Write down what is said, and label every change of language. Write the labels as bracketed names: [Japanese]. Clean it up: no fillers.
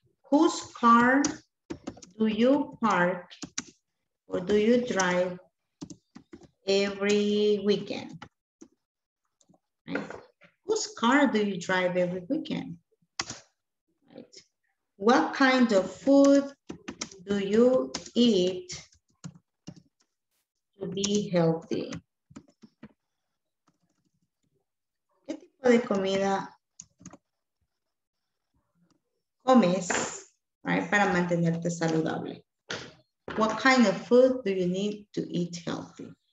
[English] Whose car do you park or do you drive every weekend? Right? Whose car do you drive every weekend? Right. What kind of food do you eat to be healthy? [Spanish] ¿Qué tipo de comida comes, right, para mantenerte saludable? [English] What kind of food do you need to eat healthy?